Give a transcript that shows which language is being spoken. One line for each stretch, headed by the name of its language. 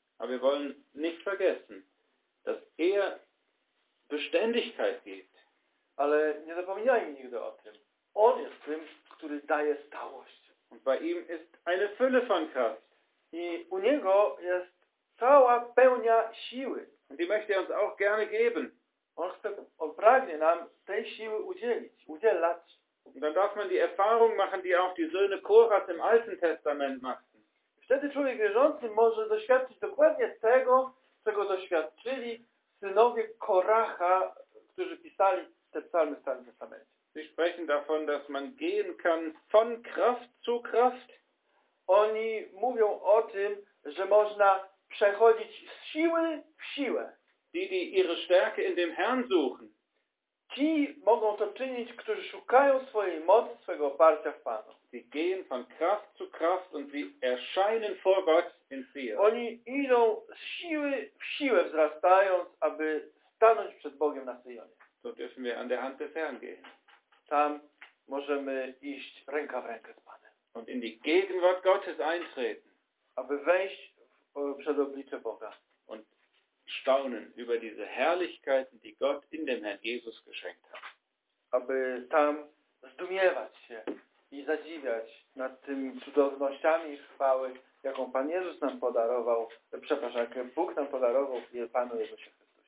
German: Aber wir wollen nicht vergessen, dass Beständigkeit gibt.
Polish: Ale nie zapominajmy nigdy o tym. On jest tym, który daje stałość.
German: Und bei ihm ist eine Fülle von Kraft.
Polish: I u Niego jest cała pełnia siły.
German: Und die möchte er uns auch gerne geben.
Polish: On pragnie nam tej siły udzielać.
German: Und dann darf man die Erfahrung machen, die auch die Söhne Korahs im Alten Testament machen.
Polish: Wtedy człowiek wierzący może doświadczyć dokładnie tego, czego doświadczyli synowie Koracha, którzy pisali te psalmy w Starym Testamencie.
German: Sie sprechen davon, dass man gehen kann von Kraft zu Kraft.
Polish: Oni mówią o tym, że można przechodzić z siły w siłę.
German: Die ihre Stärke in dem Herrn suchen.
Polish: Ci mogą to czynić, którzy szukają swojej mocy, swojego oparcia w Panu.
German: Sie gehen von Kraft zu Kraft und sie erscheinen vor Gott in Frieden.
Polish: Oni idą z siły w siłę wzrastając, aby stanąć przed Bogiem na Syjonie.
German: So dürfen wir an der Hand des Herrn gehen.
Polish: Tam możemy iść ręka w rękę z Panem.
German: Und in die Gegenwart Gottes eintreten.
Polish: Aby wejść przed oblicze Boga.
German: Und staunen über diese Herrlichkeiten, die Gott in dem Herrn Jesus geschenkt hat.
Polish: Aby tam zdumiewać się i zadziwiać nad tymi cudownościami chwały, jaką Pan Jezus nam podarował, przepraszam, jaką Bóg nam podarował w Panu Jezusie.